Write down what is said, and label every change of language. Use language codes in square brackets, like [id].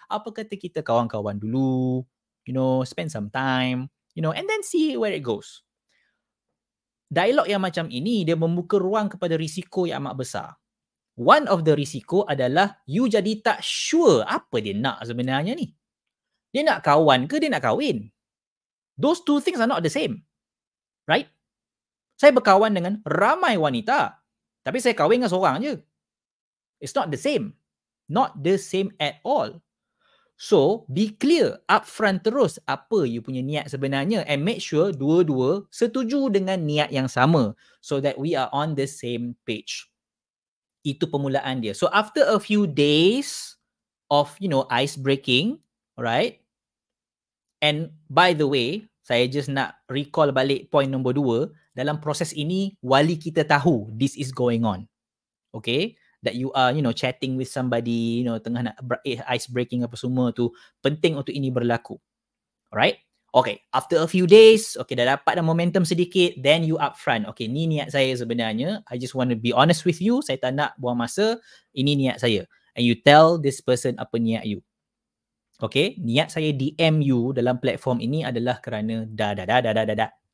[ms] Apa kata kita kawan-kawan dulu, [en] you know, spend some time, you know, and then see where it goes. [ms] Dialog yang macam ini, dia membuka ruang kepada risiko yang amat besar. [en] One of the [ms] risiko adalah you jadi tak sure apa dia nak sebenarnya ni. Dia nak kawan ke dia nak kahwin? [en] Those two things are not the same. [ms] Right? Saya berkawan dengan ramai wanita, tapi saya kahwin dengan seorang je. [en] It's not the same. Not the same at all. So, be clear upfront [ms] terus apa you punya niat sebenarnya [en] and make sure [ms] dua-dua setuju dengan niat yang sama [en] so that we are on the same page. [ms] Itu permulaan dia. [en] So, after a few days of, you know, ice breaking, right? And by the way, [ms] saya just nak recall balik point nombor dua. Dalam proses ini, wali kita tahu [en] this is going on. [ms] Okay? [en] That you are, you know, chatting with somebody, you know, [ms] tengah nak ice breaking apa semua tu. Penting untuk ini berlaku. [en] Alright? Okay, after a few days, okay, [ms] dah dapat dah momentum sedikit, [en] then you upfront. [ms] Okay, ni niat saya sebenarnya. [en] I just want to be honest with you. [ms] Saya tak nak buang masa. Ini niat saya. [en] And you tell this person [ms] apa niat you. Okay, niat saya DM you dalam platform ini adalah kerana da.